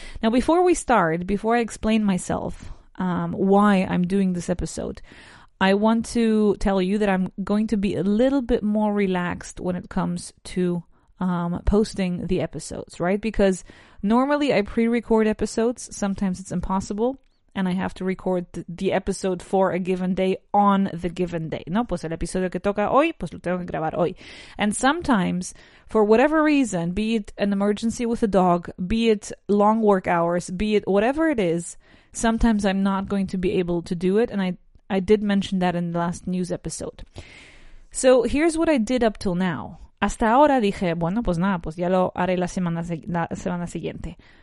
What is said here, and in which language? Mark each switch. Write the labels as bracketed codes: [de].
[en] Now, before we start, before I explain myself, why I'm doing this episode, I want to tell you that I'm going to be a little bit more relaxed when it comes to posting the episodes, right? Because normally I pre-record episodes, sometimes it's impossible. And I have to record the episode for a given day on the given day. [es] No, pues el episodio que toca hoy, pues lo tengo que grabar hoy. [en] And sometimes, for whatever reason, be it an emergency with a dog, be it long work hours, be it whatever it is, sometimes I'm not going to be able to do it. And I did mention that in the last news episode. So here's what I did up till now. [es] Hasta ahora dije, bueno, pues nada, pues ya lo haré la semana siguiente.